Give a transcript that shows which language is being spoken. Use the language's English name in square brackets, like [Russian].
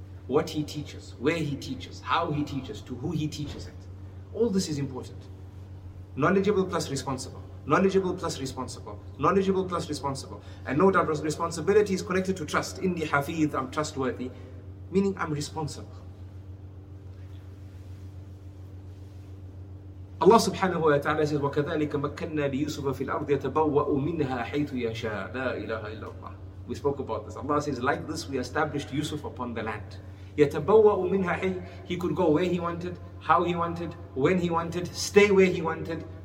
[English] What he teaches, where he teaches, how he teaches, to who he teaches it. All this is important. Knowledgeable plus responsible. Knowledgeable plus responsible. Knowledgeable plus responsible. And no doubt responsibility is connected to trust. Inni hafidh, I'm trustworthy. Meaning I'm responsible. Allah subhanahu wa ta'ala says, [Arabic] وَكَذَلِكَ مَكَّنَّا لِيُوسُفَ فِي الْأَرْضِ يَتَبَوَّأُ مِنْهَا حَيْثُ يَشَاءَ لَا إِلَهَ إِلَّا اللَّهِ. [English] We spoke about this. Allah says, like this we established Yusuf upon the land. [Arabic] يَتَبَوَّأُ مِنْهَا حَيْثُ. [English] He could go where he wanted, how he wanted, when he wanted, stay where he wanted.